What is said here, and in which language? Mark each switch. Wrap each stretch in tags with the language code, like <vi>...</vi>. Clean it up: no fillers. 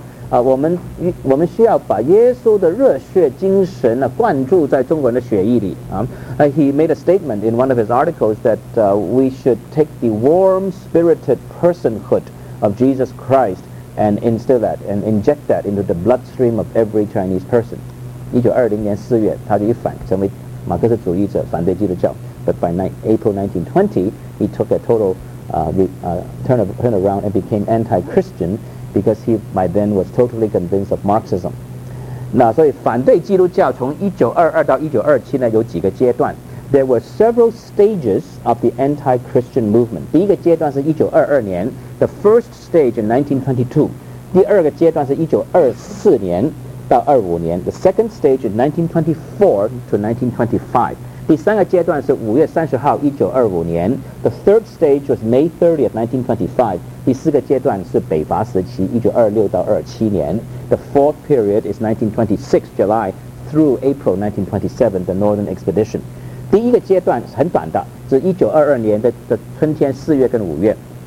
<zh>他说、我们需要把耶稣的热血精神、灌注在中国人的血液里、</zh> <en>He made a statement in one of his articles that、we should take the warm-spirited personhood of Jesus Christ and instill that and inject that into the bloodstream of every Chinese person.</en> <zh>1920年4月他就一反成为马克思主义者反对基督教。</zh> <en>But by April 1920, he took a total turn around and became anti-Christian because he by then was totally convinced of Marxism.</en> <zh>那所以反对基督教从1922到1927呢有几个阶段。</zh> <en>There were several stages of the anti-Christian movement.</en> <zh>第一个阶段是1922年</zh> <en>the first stage in 1922.</en> <zh>第二个阶段是1924年到25年</zh> <en>the second stage in 1924 to 1925.</en> <zh>第三个阶段是5月30号1925年</zh> <en>The third stage was May 30th, 1925</en> <zh>第四个阶段是北伐时期1926到27年</zh> <en>The fourth period is 1926 July through April 1927 The Northern Expedition</en> <zh>第一个阶段很短的是1922年 的春天4月跟5月</zh>